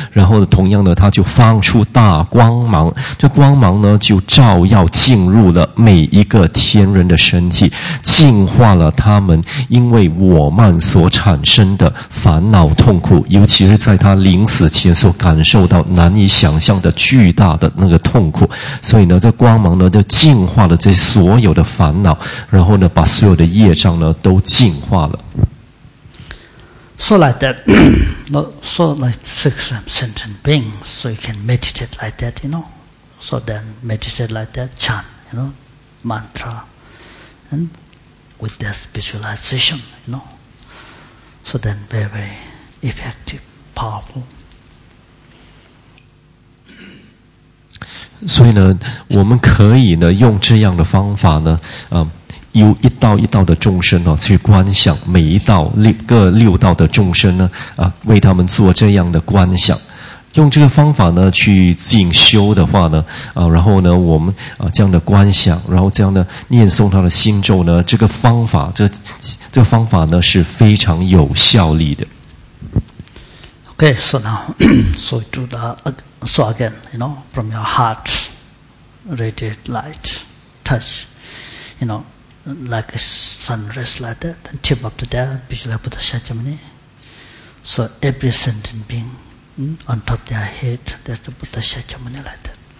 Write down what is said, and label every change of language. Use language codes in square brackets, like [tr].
[zh] 然后呢，同样呢，它就放出大光芒，这光芒呢，就照耀进入了每一个天人的身体，净化了他们因为我慢所产生的烦恼痛苦，尤其是在他临死前所感受到难以想象的巨大。大的那个痛苦，所以呢，这光芒呢就净化了这所有的烦恼，然后呢，把所有的业障呢都净化了。 [en] So like that, so like six sentient beings, so you can meditate like that, you know. So then meditate like that, chant, you know, mantra, and with that visualization, you know. So then very, very effective, powerful. [zh] 所以呢，我们可以呢用这样的方法呢，有一道一道的众生呢、啊、去观想每一道六道的众生呢啊，为他们做这样的观想，用这个方法呢去进修的话呢啊，然后呢我们啊这样的观想，然后这样的念诵他的心咒呢，这个方法这个方法呢是非常有效力的。 [en] Okay, so now, so do the, so again, you know, from your heart, radiate light, touch, you know, like a sun rays like that, then tip up to there, visualize Buddha Shakyamuni. So every sentient being, on top of their head, there's the Buddha Shakyamuni like that.